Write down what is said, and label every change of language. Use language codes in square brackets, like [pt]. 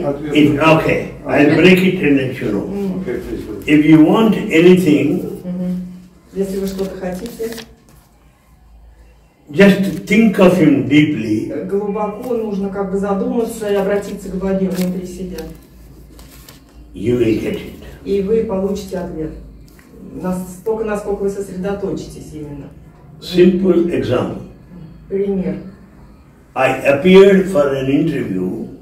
[en] I'll break it and let you know. Okay, please. If you want anything, [ru] если вы что-то хотите, [en] just think of him deeply. [ru] Глубоко нужно как бы задуматься и обратиться к Боге внутри себя. [en] You will get it. [ru] И вы получите ответ. Настолько, насколько вы сосредоточитесь именно. [en] Simple example. [ru] Пример. [en] I appeared for an interview.